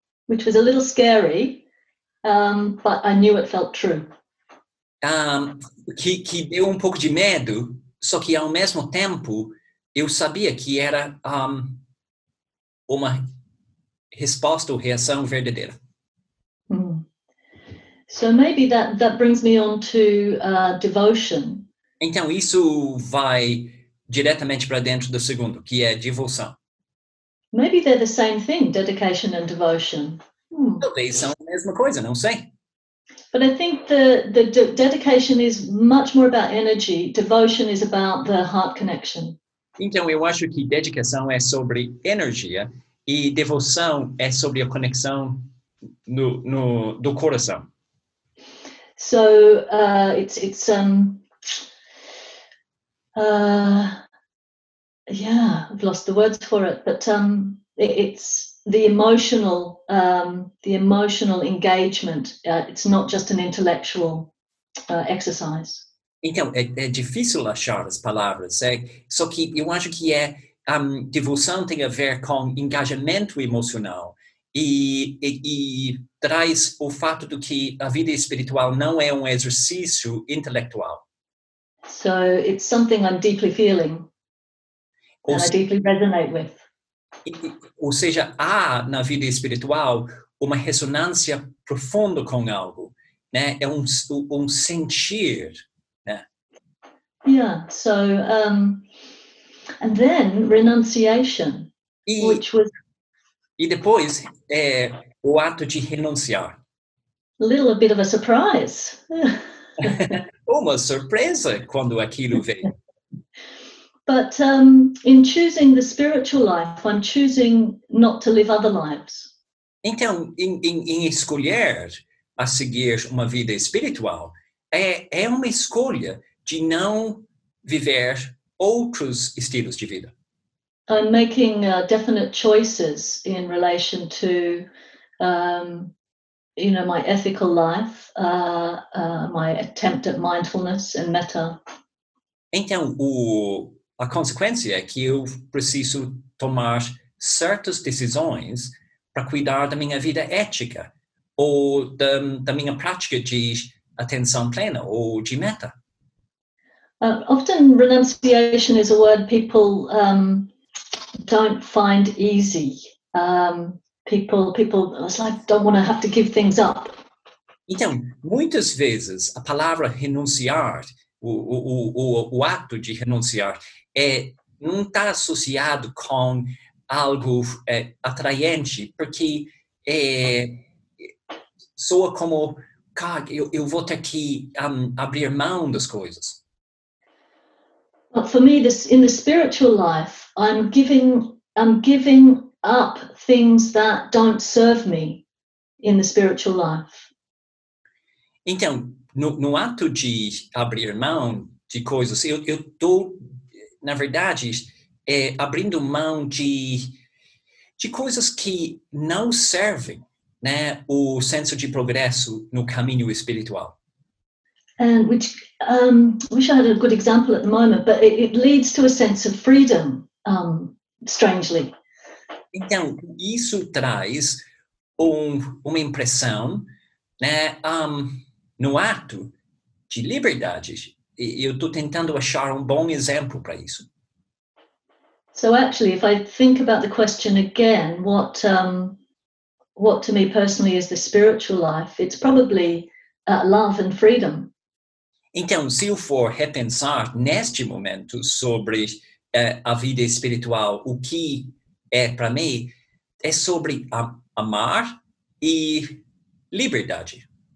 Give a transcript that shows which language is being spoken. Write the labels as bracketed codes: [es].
[en] Which was a little scary, but I knew it felt true. [pt] Que deu um pouco de medo, só que ao mesmo tempo, eu sabia que era uma resposta ou reação verdadeira. [en] So maybe that brings me on to devotion. [pt] Então, isso vai diretamente para dentro do segundo, que é devoção. [en] Maybe they're the same thing, dedication and devotion. [pt] Talvez são a mesma coisa, não sei. [en] But I think the dedication is much more about energy. Devotion is about the heart connection. [pt] Então, eu acho que dedicação é sobre energia e devoção é sobre a conexão do coração. [en] So I've lost the words for it, but it's the emotional engagement. It's not just an intellectual exercise. [pt] Então é difícil achar as palavras, só que eu acho que devoção tem a ver com engajamento emocional. E traz o fato de que a vida espiritual não é um exercício intelectual. So it's something I'm deeply feeling, and I deeply resonate with. Ou seja, há na vida espiritual uma ressonância profunda com algo, né? É um sentir, né? [en] Yeah, so, and then renunciation, which was... [pt] E depois, o ato de renunciar. [en] A little a bit of a surprise. [pt] Uma surpresa quando aquilo veio. [en] But in choosing the spiritual life, I'm choosing not to live other lives. [pt] Então, em escolher a seguir uma vida espiritual, é uma escolha de não viver outros estilos de vida. [en] I'm making definite choices in relation to, you know, my ethical life, my attempt at mindfulness and metta. [pt] Então, a consequência é que eu preciso tomar certas decisões para cuidar da minha vida ética ou da minha prática de atenção plena ou de metta. [en] Often renunciation is a word people don't find easy. People it's like don't want to have to give things up. [pt] Então, muitas vezes a palavra renunciar, o ato de renunciar, não está associado com algo atraente, porque soa como, cara, eu vou ter que abrir mão das coisas. [en] But for me, this in the spiritual life, I'm giving up things that don't serve me in the spiritual life. [pt] Então, no ato de abrir mão de coisas, eu estou, na verdade, abrindo mão de coisas que não servem, né, o senso de progresso no caminho espiritual. [en] And which wish I had a good example at the moment, but it leads to a sense of freedom, strangely. [pt] Então, isso traz uma impressão, né, no ato de liberdade. Eu estou tentando achar um bom exemplo para isso. [en] So actually, if I think about the question again, what to me personally is the spiritual life, it's probably love and freedom. [pt] Então, se eu for repensar neste momento sobre a vida espiritual, o que é para mim, é sobre amar e liberdade.